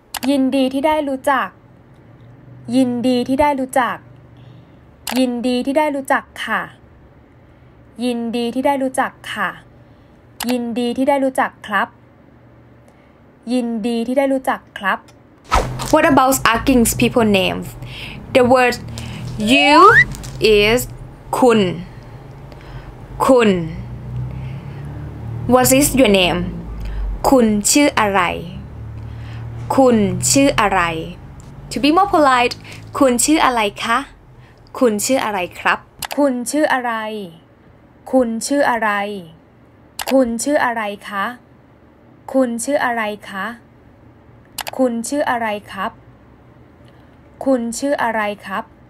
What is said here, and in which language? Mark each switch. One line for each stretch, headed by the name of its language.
Thai: ยินดีที่ได้รู้จัก ยินดีที่ได้รู้จัก ยินดีที่ได้รู้จักค่ะ ยินดีที่ได้รู้จักค่ะ ยินดีที่ได้รู้จักครับ
English: What about asking people names? The word you is คุณ คุณ What is your name?
Thai: คุณชื่ออะไร คุณชื่ออะไร
English: To be more polite
Thai: คุณชื่ออะไรคะ คุณชื่ออะไรครับ คุณชื่ออะไร คุณชื่ออะไร คุณชื่ออะไรคะ คุณชื่ออะไรคะ คุณชื่ออะไรครับ คุณชื่ออะไรครับ